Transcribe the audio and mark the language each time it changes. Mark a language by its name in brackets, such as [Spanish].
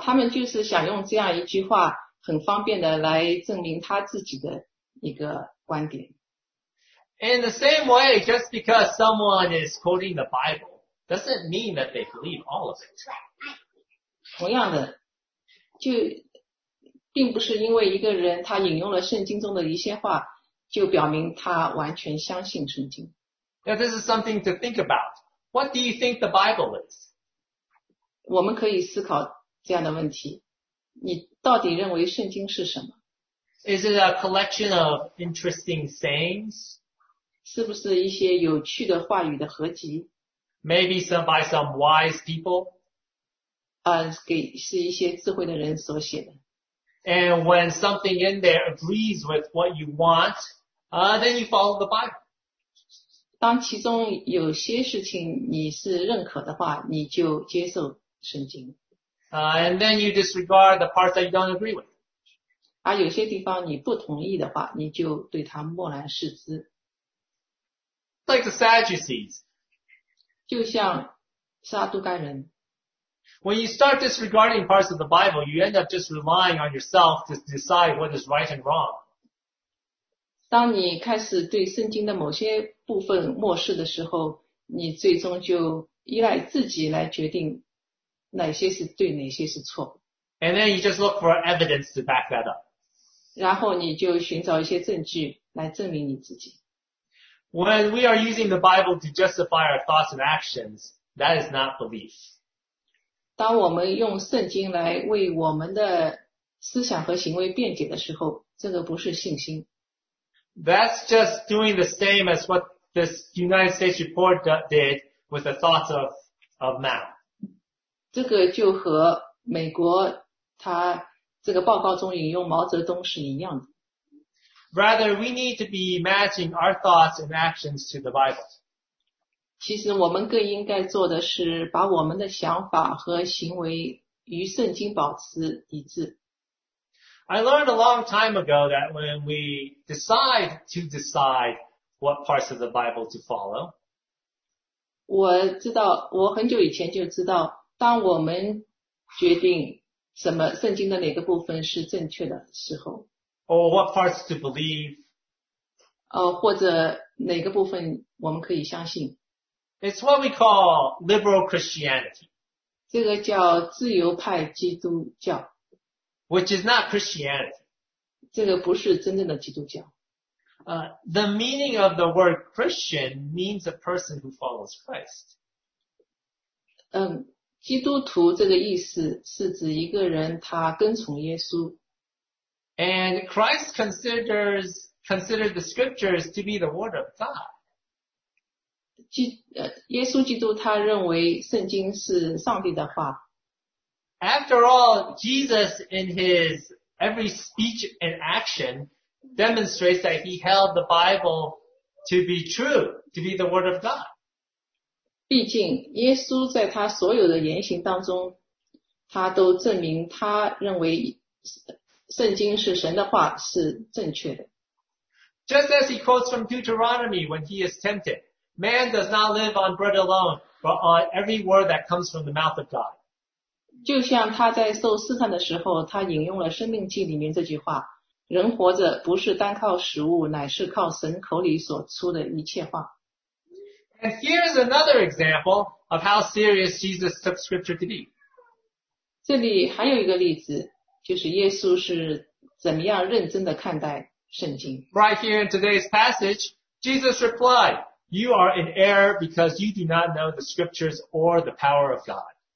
[Chinese] 他们就是想用这样一句话很方便的来证明他自己的一个观点。 [English] In the same way, just because someone is quoting the Bible doesn't mean that they believe all of it. [Chinese] 同样的，就并不是因为一个人他引用了圣经中的一些话就表明他完全相信圣经。 [English] Now, this is something to think about. What do you think the Bible is? [Chinese] 我们可以思考这样的问题，你到底认为圣经是什么？ [English] Is it a collection of interesting sayings? [Chinese] 是不是一些有趣的话语的合集？ [English] Maybe some by some wise people? [Chinese] 是一些智慧的人所写的。 [English] And when something in there agrees with what you want, then you follow the Bible. [Chinese] 当其中有些事情你是认可的话，你就接受圣经。 [English] And then you disregard the parts that you don't agree with. [Chinese] 而有些地方你不同意的话，你就对它漠然视之。 [English] Like the Sadducees. [Chinese] 就像撒都盖人。 [English] When you start disregarding parts of the Bible, you end up just relying on yourself to decide what is right and wrong. [Chinese] 当你开始对圣经的某些部分漠视的时候，你最终就依赖自己来决定哪些是对，哪些是错。 [English] And then you just look for evidence to back that up. [Chinese] 然后你就寻找一些证据来证明你自己。 [English] When we are using the Bible to justify our thoughts and actions, that is not belief. [Chinese] 当我们用圣经来为我们的思想和行为辩解的时候，这个不是信心。 [English] That's just doing the same as what this United States report did with the thoughts of Mao. [Chinese] 这个就和美国他这个报告中引用毛泽东是一样的。 [English] Rather, we need to be matching our thoughts and actions to the Bible. [Chinese] 其实我们更应该做的是把我们的想法和行为与圣经保持一致。 [English] I learned a long time ago that when we decide what parts of the Bible to follow, [Chinese] 我知道，我很久以前就知道，当我们决定什么圣经的哪个部分是正确的时候。 [English] Or what parts to believe. [Chinese] 或者哪个部分我们可以相信。 [English] It's what we call liberal Christianity. [Chinese] 这个叫自由派基督教。 [English] Which is not Christianity. [Chinese] 这个不是真正的基督教。 [English] The meaning of the word Christian means a person who follows Christ. [Chinese] 基督徒这个意思是指一个人他跟从耶稣。 [English] And Christ considered the scriptures to be the word of God. [Chinese] 耶稣基督他认为圣经是上帝的话。 [English] After all, Jesus in his every speech and action demonstrates that he held the Bible to be true, to be the word of God. [Chinese] 毕竟耶稣在他所有的言行当中他都证明他认为圣经是神的话是正确的。 [English] Just as he quotes from Deuteronomy when he is tempted, man does not live on bread alone, but on every word that comes from the mouth of God. [Chinese] 就像他在受试探的时候他引用了生命记里面这句话，人活着不是单靠食物，乃是靠神口里所出的一切话。 [English] And here's another example of how serious Jesus took scripture to be. [Chinese] 这里还有一个例子，就是耶稣是怎么样认真地看待圣经。 [English] Right here in today's passage, Jesus replied, You are in error because you do not know the scriptures or the power of God.